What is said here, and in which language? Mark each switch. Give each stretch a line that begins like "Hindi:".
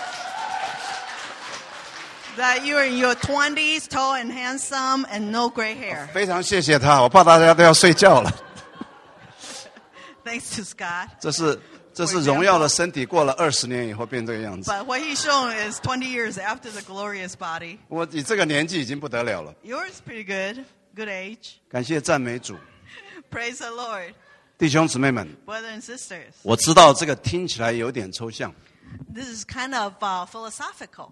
Chinese: 非常的健康，一点都不胖，头发都是浓密的。那个是。That
English: you're in your 20s, tall and handsome, and no gray hair.
Chinese: 非常谢谢他，我怕大家都要睡觉了。Thanks
English: to Scott.
Chinese: 这是荣耀的身体过了20年以后变这个样子。
English: But what he's shown is 20 years after the glorious body.
Chinese: 我以这个年纪已经不得了了。
English: Yours pretty good. Good age.
Chinese: 感谢赞美主。
English: Praise the Lord.
Chinese: 弟兄姊妹们,
English: Brothers and sisters.
Chinese: 我知道这个听起来有点抽象。
English: This is kind of philosophical.